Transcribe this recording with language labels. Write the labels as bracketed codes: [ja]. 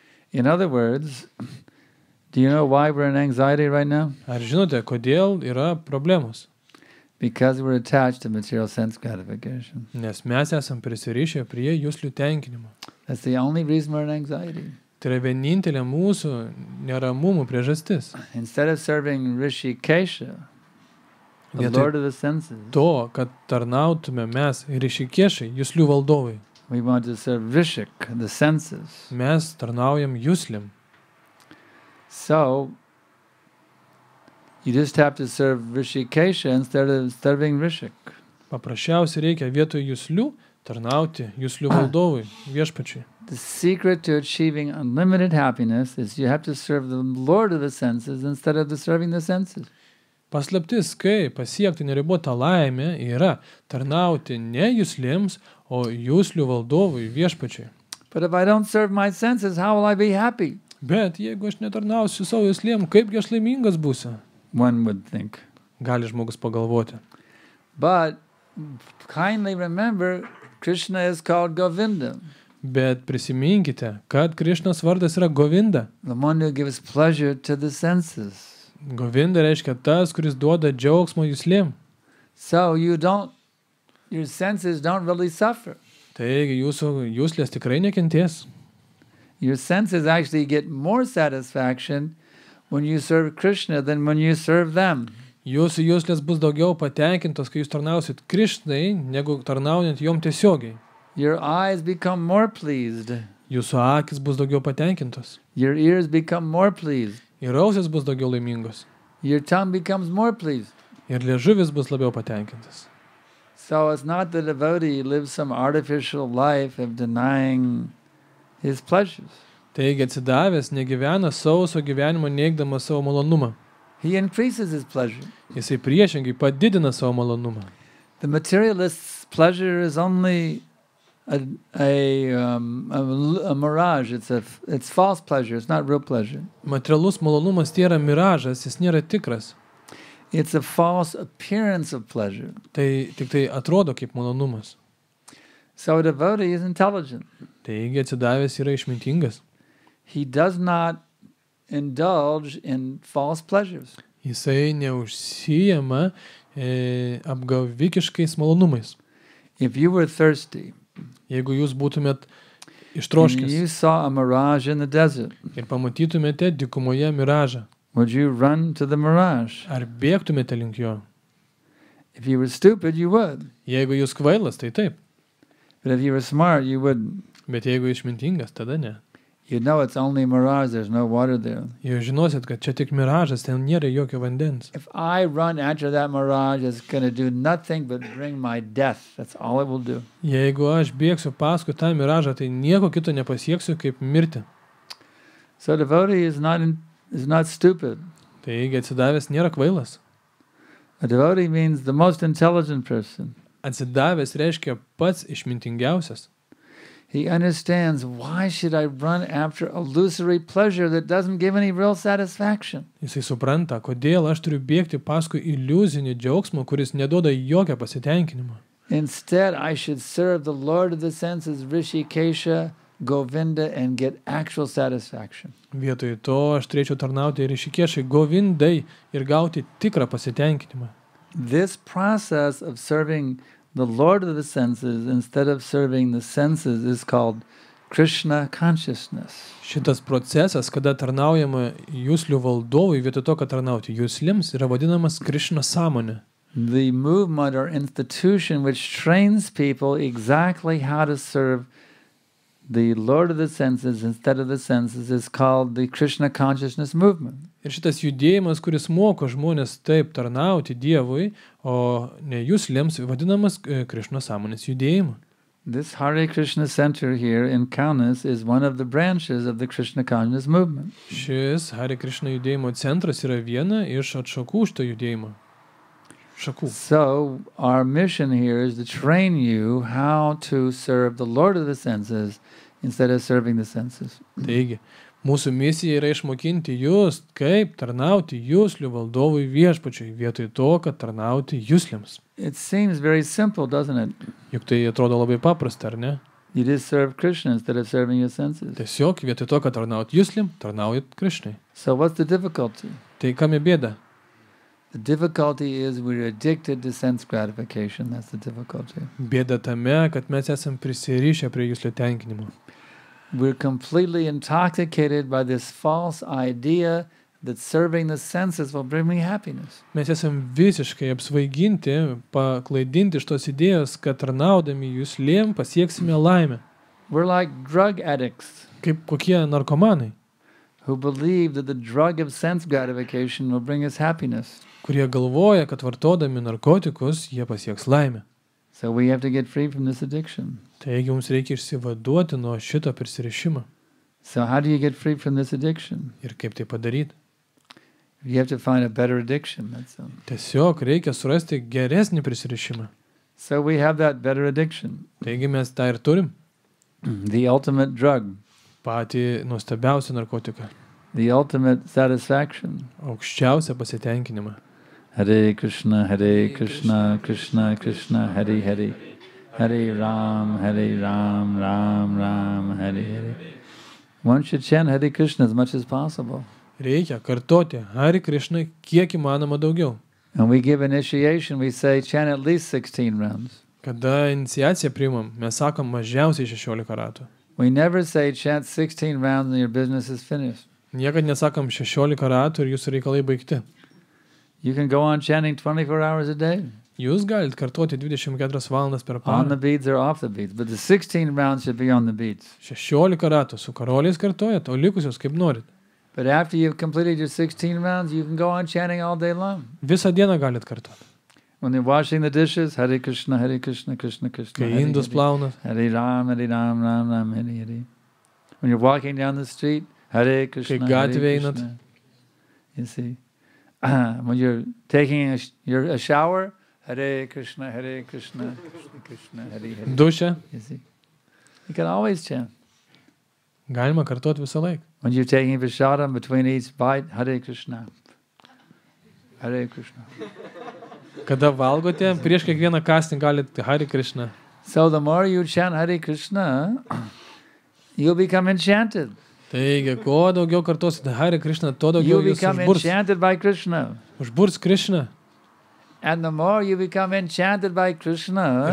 [en] In other words, do you know why we're in anxiety right now? [lt] Ar žinote, kodėl yra problemos? [en] Because we're attached to material sense gratification. [lt] Nes mes esam prisirišę prie juslių tenkinimo. [en] That's the only reason we're in anxiety. [lt] Tai yra vienintelė mūsų neramumų priežastis. [en] Instead of serving Rishikesha, the Lord of the senses, [lt] to, kad tarnautume mes Rishikeshai, juslių valdovai, [en] we want to serve Rishik, the senses. [lt] Mes tarnaujam juslim. [en] So, you just have to serve Rishikesha instead of serving Rishik. [lt] Paprasčiausiai reikia vietoj juslių tarnauti juslių valdovui, viešpačiui. [en] The secret to achieving unlimited happiness is you have to serve the Lord of the senses instead of serving the senses. [lt] Paslaptis, kai pasiekti neribotą laimę, yra tarnauti ne juslims, o juslių valdovui viešpačiui. [en] But if I don't serve my senses, how will I be happy? [lt] Bet jeigu aš netarnausiu savo juslim, kaip aš laimingas būsiu? [en] One would think. [lt] Gali žmogus pagalvoti. [en] But kindly remember, Krishna is called Govinda. [lt] Bet prisiminkite, kad Krišnos vardas yra Govinda. [en] The one who gives pleasure to the senses. [lt] Govinda reiškia tas, kuris duoda džiaugsmo juslim. [en] So you don't, your senses don't really suffer. [lt] Taigi, jūsų juslės tikrai nekentės. [en] Your senses actually get more satisfaction when you serve Krishna than when you serve them. [lt] Jūsų juslės bus daugiau patenkintos, kai jūs tarnausit Krišnai, negu tarnaujant jom tiesiogiai. [en] Your eyes become more pleased. [lt] Jūsų akis bus daugiau patenkintos. [en] Your ears become more pleased. [lt] Ir ausis bus daugiau laimingos. [en] Your tongue becomes more pleased. [lt] Ir liežuvis bus labiau patenkintas. [en] So it's not the devotee lives some artificial life of denying his pleasures. [lt] Taigi atsidavęs negyvena sauso gyvenimo neigdamas savo malonumą. [en] He increases his pleasure. [lt] Jisai priešingai padidina savo malonumą. [en] The materialist's pleasure is only a mirage. It's false pleasure. It's not real pleasure. [lt] Materialus malonumas tai yra miražas, jis nėra tikras. [en] It's a false appearance of pleasure. [lt] Tai tik tai atrodo kaip malonumas. [en] So a devotee is intelligent. [lt] Taigi atsidavęs yra išmintingas. [en] He does not indulge in false pleasures. [lt] Jisai neužsijama apgavikiškais malonumais. [en] If you were thirsty, [lt] jeigu jūs būtumėt ištroškęs, [en] and you saw a mirage in the desert, [lt] ir pamatytumėte dykumoje miražą, [en] would you run to the mirage? [lt] Ar bėgtumėte link jo? [en] If you were stupid, you would. [lt] Jeigu jūs kvailas, tai taip. [en] But if you were smart, you wouldn't. [lt] Bet jeigu išmintingas, tada ne. [en] You know it's only mirage, there's no water there. [lt] Jūs žinosit, kad čia tik miražas, ten nėra jokio vandens. [en] If I run after that mirage, it's going to do nothing but bring my death. That's all it will do. [lt] Jeigu aš bėgsiu paskui tą miražą, tai nieko kito nepasieksiu kaip mirti. [en] So devotee is not stupid. [lt] Taigi atsidavęs nėra kvailas. [en] A devotee means the most intelligent person. [lt] Atsidavęs reiškia pats išmintingiausias. [en] He understands, why should I run after illusory pleasure that doesn't give any real satisfaction? [lt] Jisai supranta, kodėl aš turiu bėgti paskui iliuzinį džiaugsmą, kuris neduoda jokio pasitenkinimo. [en] Instead, I should serve the Lord of the Senses, Rishikesha, Govinda, and get actual satisfaction. [lt] Vietoj to, aš turėčiau tarnauti Rishikeshai, Govindai, ir gauti tikrą pasitenkinimą. [en] This process of serving the Lord of the Senses, instead of serving the senses, is called Krishna consciousness. [lt] Šitas procesas, kada tarnaujama juslių valdovui, vietoj to, kad tarnauti juslims, yra vadinamas Krishna sąmonė. [en] The movement or institution which trains people exactly how to serve the Lord of the Senses instead of the senses is called the Krishna consciousness movement. [lt] Ir šitas judėjimas, kuris moko žmonės taip tarnauti Dievui, o ne juslėms, vadinamas Krishna sąmonės judėjimu. [en] This Hare Krishna center here in Kaunas is one of the branches of the Krishna consciousness movement. [lt] Šis Hare Krishna judėjimo centras yra viena iš atšakų šito judėjimo. Šakų. [en] So our mission here is to train you how to serve the Lord of the Senses instead of serving the senses. [lt] Taigi, mūsų misija yra išmokinti jūs, kaip tarnauti juslių valdovui viešpačiui, vietoj to, kad tarnauti juslėms. [en] It seems very simple, doesn't it? [lt] Juk tai atrodo labai paprasta, ar ne? [en] You just serve Krishna instead of serving your senses. [lt] Tiesiog, vietoj to, kad tarnauti juslim, tarnauji Krishnai. [en] So what's the difficulty? [lt] Tai kame bėda? [en] The difficulty is we're addicted to sense gratification. That's the difficulty. [lt] Bėda tame, kad mes esam prisirišę prie juslių tenkinimo. [en] We're completely intoxicated by this false idea that serving the senses will bring me happiness. [lt] Mes esam visiškai apsvaiginti, paklaidinti šitos idėjos, kad tarnaudami juslėm pasieksime laimę. [en] We're like drug addicts. [lt] Kaip kokie narkomanai. [en] Who believe that the drug of sense gratification will bring us happiness. [lt] Kurie galvoja, kad vartodami narkotikus jie pasieks laimę. [en] So we have to get free from this addiction. [lt] Taigi mums reikia išsivaduoti nuo šito prisirišimo. [en] So how do you get free from this addiction? [lt] Ir kaip tai padaryti? [en] You have to find a better addiction, that's all. [lt] Tiesiog reikia surasti geresnį prisirišimą. [en] So we have that better addiction. [lt] Taigi mes tą ir turim. [en] The ultimate drug. [lt] Patį nuostabiausią narkotiką. [en] The ultimate satisfaction. [lt] Aukščiausią pasitenkinimą. [sa] Hare Krishna, Hare Krishna, Krishna Krishna, Hare Hare. Hare Ram, Hare Ram, Ram Ram, Hare Hare. [en] One should chant Hare Krishna as much as possible. [lt] Reikia kartoti Hare Krishna kiek įmanoma daugiau. [en] And we give initiation, we say chant at least 16 rounds. [lt] Kada iniciaciją priimam, mes sakom mažiausiai 16 ratų. [en] We never say chant 16 rounds and your business is finished. [lt] Niekad nesakom 16 ratų ir jūsų reikalai baigti. [en] You can go on chanting 24 hours a day. [lt] Jūs galite kartuoti 24 valandas per parą. [en] On the beads or off the beads, but the 16 rounds should be on the beads. [lt] 16 ratų su karoliais kartuojat, o likusios kaip norit. [en] But after you've completed your 16 rounds, you can go on chanting all day long. [lt] Visą dieną galite kartuoti. [en] When you're washing the dishes, [sa] Hare Krishna, Hare Krishna, Krishna Krishna, [lt] kai indus plaunat. [sa] Hare Ram, Hare Ram, Ram Ram, Hare Hare. [en] When you're walking down the street, Hare Krishna, [lt] kai gatvėje einat. [en] You see. When you're taking a shower, [sa] Hare Krishna, Hare Krishna, Krishna Krishna, Hare Hare. [lt] Dusha. [en] You can always chant. [lt] Galima kartuoti visą laiką. [en] When you're taking visharam between each bite, Hare Krishna. [sa] Hare Krishna. [lt] Kada valgote, prieš kiekvieną kąsnį galite Hare Krishna. [en] So the more you chant Hare Krishna, you'll become enchanted. [lt] Taigi, kuo daugiau kartuosite Hare Krishna, tuo daugiau jūs užburs Krishna. [en] And the more you become enchanted by Krishna,